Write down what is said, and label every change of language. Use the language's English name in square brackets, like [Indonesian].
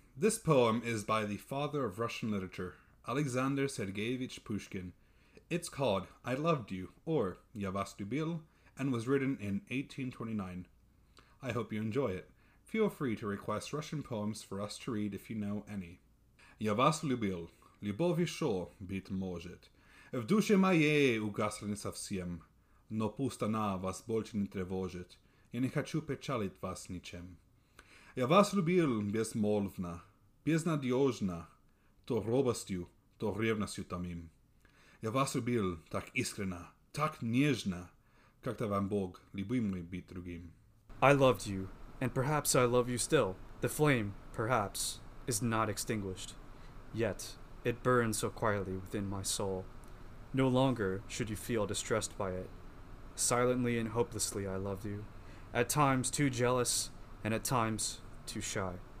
[English] This poem is by the father of Russian literature, Alexander Sergeyevich Pushkin. It's called I Loved You, or Я Вас Любил, and was written in 1829. I hope you enjoy it. Feel free to request Russian poems for us to read if you know any. [Russian] Я Вас Любил. Любовь еще быть может. В душе моей угасла не совсем, но пусть она вас больше не тревожит. и не хочу печалить вас ничем. Я вас любил безмолвно, безнадежно, то робостью, то ревностью томим. Я вас любил так искренно, так нежно, как-то вам Бог любимый быть другим. [English] I loved you, and perhaps I love you still. The flame, perhaps, is not extinguished. Yet, it burns so quietly within my soul. No longer should you feel distressed by it. Silently and hopelessly I loved you, at times too jealous, and at times too shy.